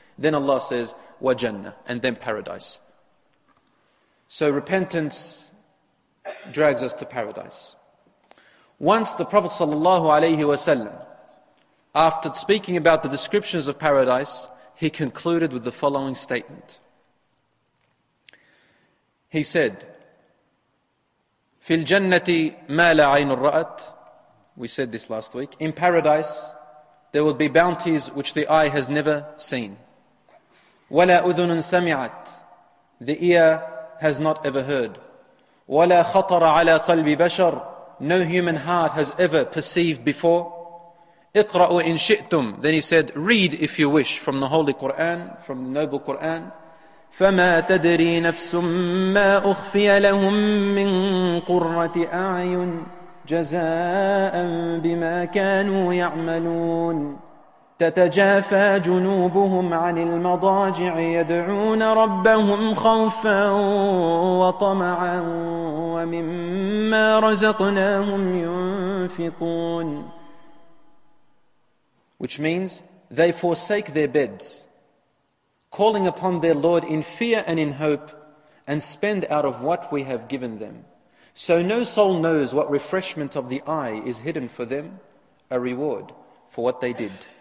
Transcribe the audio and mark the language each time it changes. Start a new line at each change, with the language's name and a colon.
English: Then Allah says, وَجَنَّةٍ, and then paradise. So repentance drags us to paradise. Once the Prophet sallallahu alayhi wa sallam, after speaking about the descriptions of paradise, he concluded with the following statement. He said,
Arabic: فِي الْجَنَّةِ مَا لَا عَيْنُ الرَّأَتْ.
English: We said this last week. In paradise, there will be bounties which the eye has never seen.
Arabic: وَلَا أُذُنٌ سَمِعَتْ.
English: The ear has not ever heard.
Arabic: وَلَا خَطَرَ عَلَىٰ قَلْبِ بَشَرٍ.
English: No human heart has ever perceived before.
Arabic: اِقْرَأُوا إِنْ شِئْتُمْ.
English: Then he said, read if you wish from the Holy Qur'an, from the Noble Qur'an.
Arabic: فَمَا تَدْرِي نَفْسٌ مَا أُخْفِيَ لَهُمْ مِنْ قُرَّةِ أَعْيُنْ جَزَاءً بِمَا كَانُوا يَعْمَلُونَ. تتجافى جنوبهم عن المضاجع يدعون ربهم خوفا وطمعا ومما رزقناهم ينفقون.
English: Which means they forsake their beds, calling upon their Lord in fear and in hope, and spend out of what we have given them. So no soul knows what refreshment of the eye is hidden for them, a reward for what they did.